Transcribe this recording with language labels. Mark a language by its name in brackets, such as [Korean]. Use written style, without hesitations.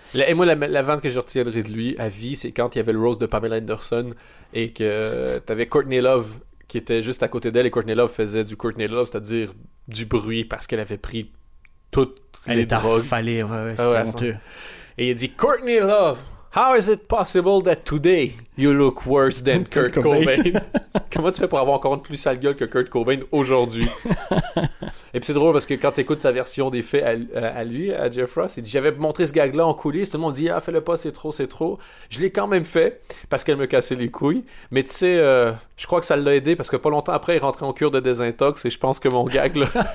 [French] Et moi, la vente que je retiendrai de lui à vie, c'est quand il y avait le roast de Pamela Anderson et que t'avais Courtney Love qui était juste à côté d'elle, et Courtney Love faisait du Courtney Love, c'est-à-dire du bruit parce qu'elle avait pris toutes les drogues. Elle était affalée, ouais, c'était honteux. Et il a dit « Courtney Love, [English] How is it possible that today you look worse than Kurt Cobain? [French] Comment tu fais pour avoir encore une plus sale gueule que Kurt Cobain aujourd'hui? Et puis c'est drôle parce que quand t'écoutes sa version des faits à lui, à Jeff Ross, il dit, j'avais montré ce gag-là en coulisses, tout le monde dit, ah, fais-le pas, c'est trop, c'est trop. Je l'ai quand même fait parce qu'elle me cassait les couilles. Mais tu sais, je crois que ça l'a aidé parce que pas longtemps après, il rentrait en cure de désintox et je pense que mon gag là,